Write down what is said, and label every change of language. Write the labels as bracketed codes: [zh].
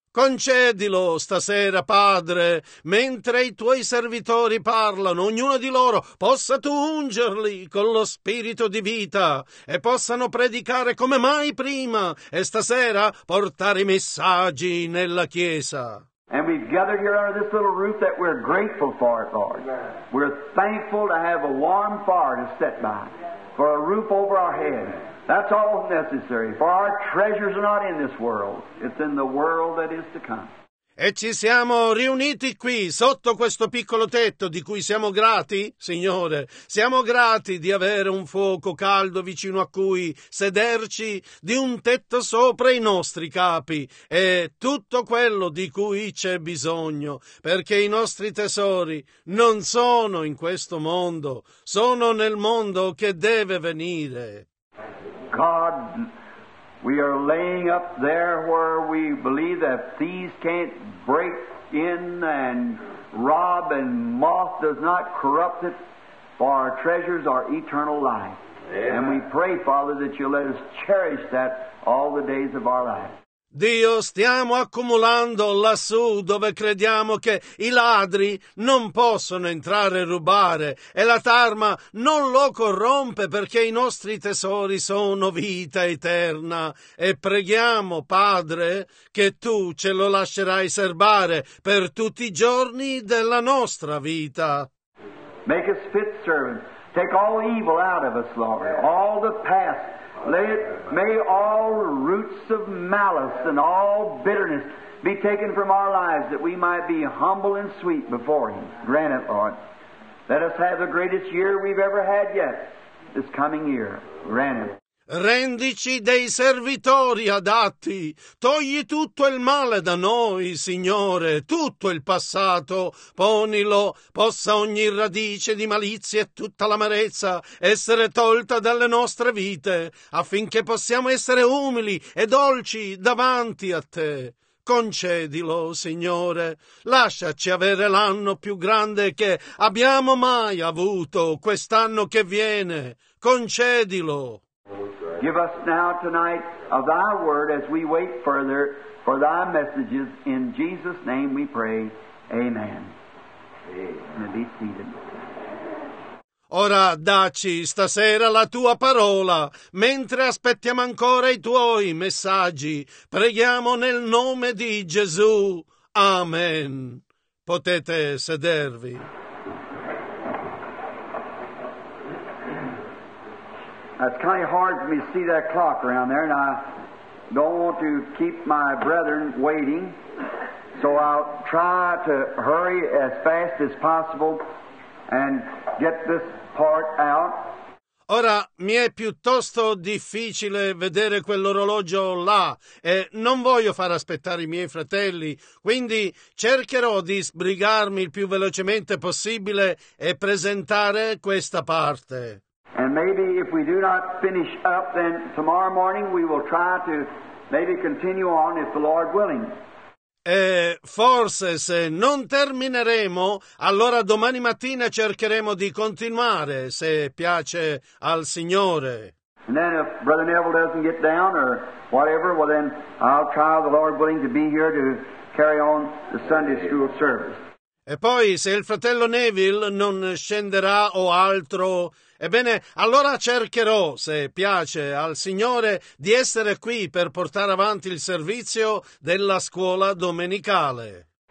[it] Concedilo stasera, Padre, mentre i Tuoi servitori parlano, ognuno di loro possa Tu ungerli con lo spirito di vita e possano predicare come mai prima e stasera portare i messaggi nella Chiesa. [en] And we've gathered here under this little roof that we're grateful for, Lord. We're thankful to have a warm fire to set by, for a roof over our head. That's all necessary, for our treasures are not in this world. It's in the world that is to come. [it] E ci siamo riuniti qui, sotto questo piccolo tetto di cui siamo grati, Signore. Siamo grati di avere un fuoco caldo vicino a cui sederci, di un tetto sopra i nostri capi e tutto quello di cui c'è bisogno, perché i nostri tesori non sono in questo mondo, sono nel mondo che deve venire. [en] God. We are laying up there where we believe that thieves can't break in and rob, and moth does not corrupt it, for our treasures are eternal life. Yeah. And we pray, Father, that You'll let us cherish that all the days of our life. [it] Dio, stiamo accumulando lassù dove crediamo che i ladri non possono entrare e rubare e la tarma non lo corrompe perché i nostri tesori sono vita eterna. E preghiamo, Padre, che Tu ce lo lascerai serbare per tutti i giorni della nostra vita. [en] Make us fit servants. Take all evil out of us, Lord. All the past. May all roots of malice and all bitterness be taken from our lives, that we might be humble and sweet before Him. Grant it, Lord. Let us have the greatest year we've ever had yet, this coming year. Grant it. [it] Rendici dei servitori adatti, togli tutto il male da noi, Signore, tutto il passato, ponilo, possa ogni radice di malizia e tutta l'amarezza essere tolta dalle nostre vite, affinché possiamo essere umili e dolci davanti a Te. Concedilo, Signore, lasciaci avere l'anno più grande che abbiamo mai avuto, quest'anno che viene. Concedilo. [en] Give us now tonight of Thy word as we wait further for Thy messages. In Jesus' name we pray. Amen. Amen. Be seated. [it] Ora dacci stasera la Tua parola, mentre aspettiamo ancora i Tuoi messaggi. Preghiamo nel nome di Gesù. Amen. Potete sedervi. [en] It's kind of hard for me to see that clock around there, and I don't want to keep my brethren waiting, so I'll try to hurry as fast as possible and get this part out. [it] Ora mi è piuttosto difficile vedere quell'orologio là e non voglio far aspettare i miei fratelli, quindi cercherò di sbrigarmi il più velocemente possibile e presentare questa parte. [en] And maybe if we do not finish up, then tomorrow morning we will try to maybe continue on, if the Lord willing. [it] E forse se non termineremo, allora domani mattina cercheremo di continuare, se piace al Signore. [en] And then if Brother Neville doesn't get down or whatever, well then I'll try the Lord willing to be here to carry on the Sunday school service. [it] E poi se il fratello Neville non scenderà o altro, ebbene allora cercherò, se piace al Signore, di essere qui per portare avanti il servizio della scuola domenicale.